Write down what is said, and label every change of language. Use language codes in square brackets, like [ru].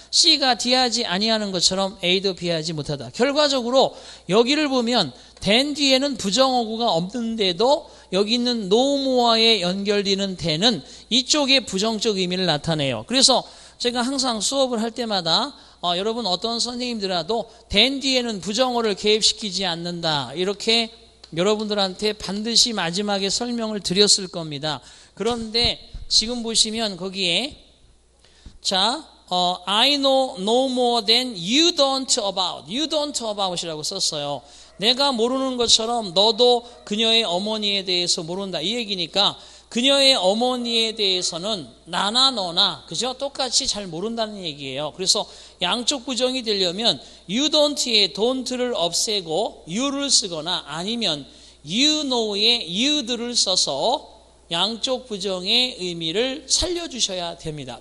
[ko] C가 D 하지 아니하는 것처럼 A도 B 하지 못하다. 결과적으로 여기를 보면 than 뒤에는 부정어구가 없는데도 여기 있는 no more에 연결되는 than은 이쪽의 부정적 의미를 나타내요. 그래서 제가 항상 수업을 할 때마다 여러분 어떤 선생님들이라도 than 뒤에는 부정어를 개입시키지 않는다 이렇게 여러분들한테 반드시 마지막에 설명을 드렸을 겁니다. 그런데 지금 보시면 거기에 자 [en] I know no more than you don't about. You don't about이라고 [ko] 썼어요. 내가 모르는 것처럼 너도 그녀의 어머니에 대해서 모른다. 이 얘기니까 그녀의 어머니에 대해서는 나나 너나 그죠? 똑같이 잘 모른다는 얘기예요. 그래서 양쪽 부정이 되려면 you don't의 don't를 없애고 you를 쓰거나 아니면 you know의 you들을 써서 양쪽 부정의 의미를 살려주셔야 됩니다.